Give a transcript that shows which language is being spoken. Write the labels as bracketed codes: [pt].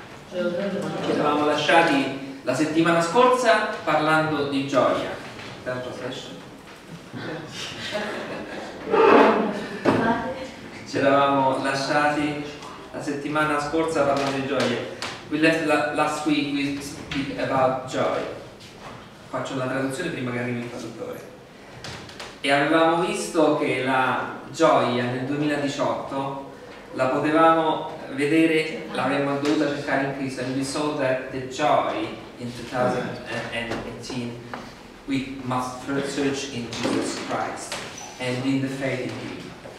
[it] Buongiorno. Ci eravamo lasciati la settimana scorsa parlando di gioia. Tanto session. Ci eravamo lasciati la settimana scorsa parlando di gioia. [en] We left last week we speak about joy. [it] Faccio la traduzione prima che arrivi il traduttore. E avevamo visto che la gioia nel 2018 la potevamo vedere, l'avremmo dovuta cercare in Cristo. [en] And we saw that the joy in 2018 we must first search in Jesus Christ and in the faith in Him.